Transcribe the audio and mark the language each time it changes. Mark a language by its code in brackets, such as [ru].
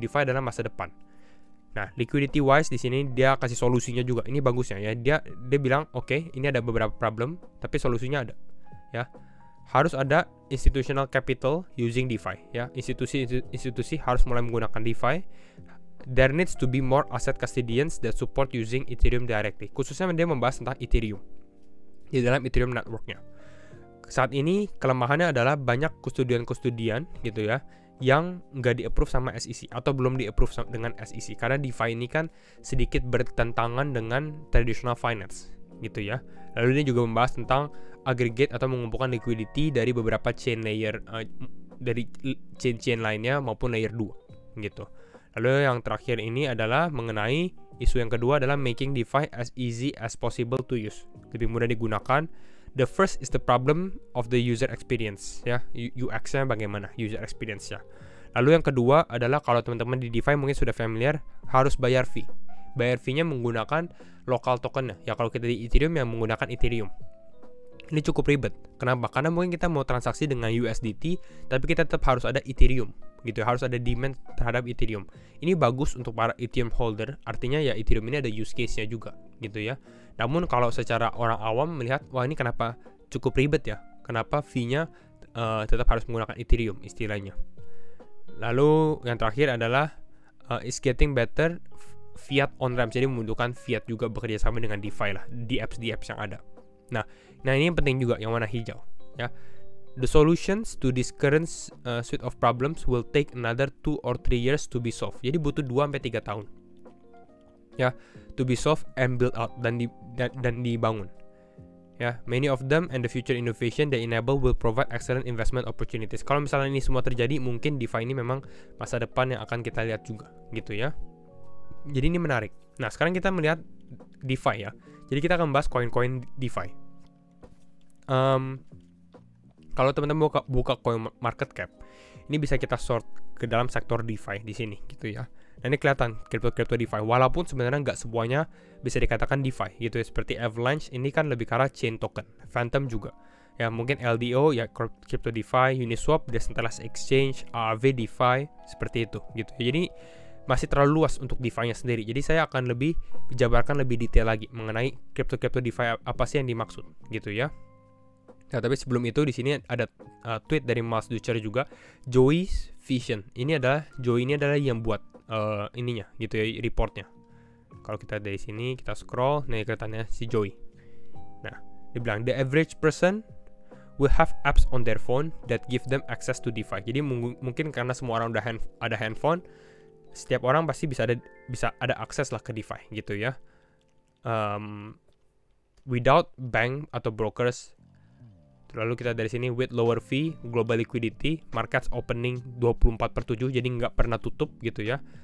[id] DeFi adalah masa depan. Nah, liquidity wise di sini dia kasih solusinya juga. Ini bagusnya ya. Dia bilang oke, ini ada beberapa problem tapi solusinya ada. Ya. Harus ada [en] institutional capital using [id] DeFi ya. Institusi harus mulai menggunakan DeFi. [en] There needs to be more asset custodians that support using Ethereum directly. [id] Khususnya dia membahas tentang Ethereum di dalam Ethereum networknya. Saat ini kelemahannya adalah banyak custodian-custodian gitu ya yang nggak di-approve sama SEC atau belum di-approve dengan SEC karena DeFi ini kan sedikit bertentangan dengan traditional finance gitu ya. Lalu dia juga membahas tentang aggregate atau mengumpulkan liquidity dari beberapa chain layer dari chain-chain lainnya maupun layer 2 gitu. Lalu yang terakhir ini adalah mengenai isu yang kedua adalah [en] making DeFi as easy as possible to use. [id] Lebih mudah digunakan. [en] The first is the problem of the user experience. [id] Ya, UX-nya bagaimana? User experience-nya. Lalu yang kedua adalah kalau teman-teman di DeFi mungkin sudah familiar, harus bayar fee. Bayar fee-nya menggunakan local token-nya. Ya, kalau kita di Ethereum yang menggunakan Ethereum. Ini cukup ribet. Kenapa? Karena mungkin kita mau transaksi dengan USDT, tapi kita tetap harus ada Ethereum. Gitu, harus ada demand terhadap Ethereum. Ini bagus untuk para Ethereum holder, artinya ya Ethereum ini ada use case-nya juga, gitu ya. Namun kalau secara orang awam melihat, wah ini kenapa cukup ribet ya? Kenapa fee-nya tetap harus menggunakan Ethereum istilahnya. Lalu yang terakhir adalah [en] is getting better fiat on-ramp. [id] Jadi membutuhkan fiat juga bekerja sama dengan DeFi lah, di apps yang ada. Nah ini yang penting juga yang warna hijau, ya. [en] The solutions to this current suite of problems will take another 2 or 3 years to be solved. [id] Jadi butuh 2-3 tahun. Ya, [en] to be solved and build out [id] dan dibangun. [en] Ya, many of them and the future innovation they enable will provide excellent investment opportunities. [id] Kalau misalnya ini semua terjadi, mungkin DeFi ini memang masa depan yang akan kita lihat juga, gitu ya. Jadi ini menarik. Nah, sekarang kita melihat DeFi ya. Jadi kita akan bahas koin-koin DeFi. Kalau teman-teman buka coin market cap, ini bisa kita sort ke dalam sektor DeFi di sini, gitu ya. Nah, ini kelihatan crypto DeFi, walaupun sebenarnya nggak semuanya bisa dikatakan DeFi, gitu ya. Seperti Avalanche, ini kan lebih ke arah chain token, Phantom juga. Ya, mungkin LDO, ya crypto DeFi, Uniswap, decentralized exchange, Aave DeFi, seperti itu, gitu. Jadi masih terlalu luas untuk DeFi-nya sendiri. Jadi saya akan lebih jabarkan lebih detail lagi mengenai crypto-crypto DeFi apa sih yang dimaksud gitu ya. Nah, tapi sebelum itu di sini ada tweet dari Miles Dutcher juga, Joey's Vision. Ini adalah Joey ini adalah yang buat ininya gitu ya, reportnya. Kalau kita dari sini kita scroll, nih kelihatannya si Joey. Nah, dibilang [en] the average person will have apps on their phone that give them access to DeFi. [id] Jadi mungkin karena semua orang udah ada handphone, setiap orang pasti bisa ada akses lah ke DeFi gitu ya. [en] Without bank [id] atau brokers. Lalu kita dari sini [en] with lower fee, global liquidity, markets opening 24/7, [id] jadi nggak pernah tutup gitu ya.